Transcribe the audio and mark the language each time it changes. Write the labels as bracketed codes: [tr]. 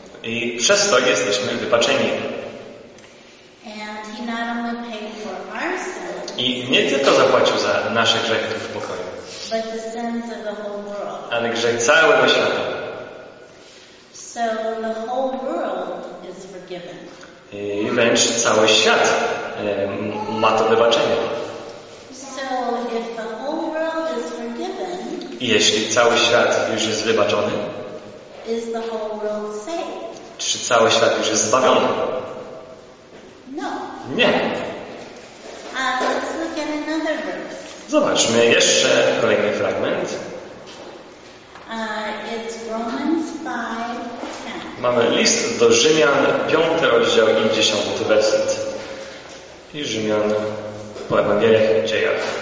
[pl] I przez to jesteśmy wybaczeni. [en] And he not only paid for our sins, [pl] i nie tylko zapłacił za nasze grzechy w pokoju, [en] but the sins of the whole world. [pl] Ale grzech całego świata. [en] So the whole world is forgiven. [pl] I wręcz cały świat ma to wybaczenie. [en] So if the whole world is forgiven, [pl] jeśli cały świat już jest wybaczony, [en] is the whole world saved? [pl] Czy cały świat już jest zbawiony? [en] No. [pl] Nie. [en] Let's look at another verse. [pl] Zobaczmy jeszcze kolejny fragment. [en] It's Romans 5:10. [pl] Mamy list do Rzymian, 5 rozdział i 10 werset. I Rzymian po Ewangeliach i Dziejach.